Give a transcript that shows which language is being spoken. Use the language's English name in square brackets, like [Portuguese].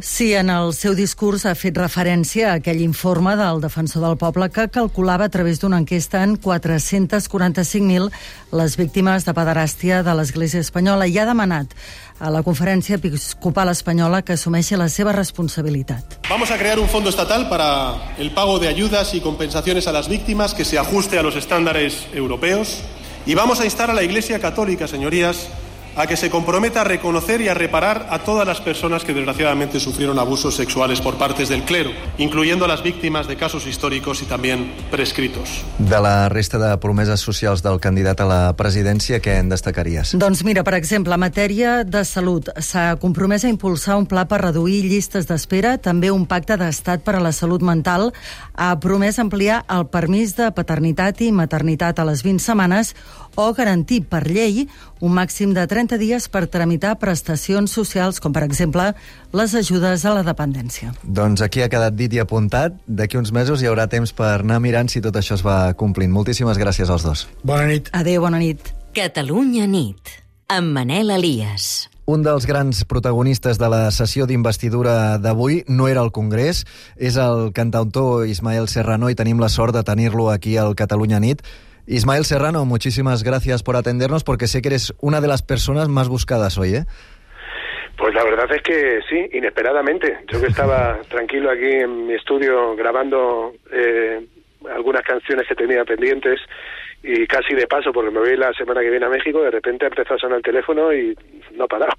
[Catalan] Sí, en el seu discurs ha fet referència a aquell informe del Defensor del Poble que calculava a través d'una enquesta en 445.000 les víctimes de pederàstia de l'Església Espanyola i ha demanat a la Conferència Episcopal Espanyola que assumeixi la seva responsabilitat. [Spanish] Vamos a crear un fondo estatal para el pago de ayudas y compensaciones a las víctimas que se ajuste a los estándares europeos. Y vamos a instar a la Iglesia Católica, señorías, a que se comprometa a reconocer y a reparar a todas las personas que desgraciadamente sufrieron abusos sexuales por partes del clero, incluyendo a las víctimas de casos históricos y también prescritos. [Catalan] De la resta de promeses socials del candidat a la presidència, què en destacaries? Doncs mira, per exemple, en matèria de salut, s'ha compromès a impulsar un pla per reduir llistes d'espera, també un pacte d'estat per a la salut mental, ha promès ampliar el permís de paternitat i maternitat a les 20 setmanes o garantir per llei un màxim de 30 dies per tramitar prestacions socials, com per exemple les ajudes a la dependència. Doncs aquí ha quedat dit i apuntat. D'aquí uns mesos hi haurà temps per anar mirant si tot això es va complint. Moltíssimes gràcies als dos. Bona nit. Adéu, bona nit. Catalunya Nit, amb Manel Elias. Un dels grans protagonistes de la sessió d'investidura d'avui no era el Congrés, és el cantautor Ismael Serrano i tenim la sort de tenir-lo aquí al Catalunya Nit. [Spanish] Ismael Serrano, muchísimas gracias por atendernos, porque sé que eres una de las personas más buscadas hoy, ¿eh? Pues la verdad es que sí, inesperadamente. Yo que estaba tranquilo aquí en mi estudio grabando algunas canciones que tenía pendientes y casi de paso, porque me voy la semana que viene a México, de repente empezó a sonar el teléfono y no paró.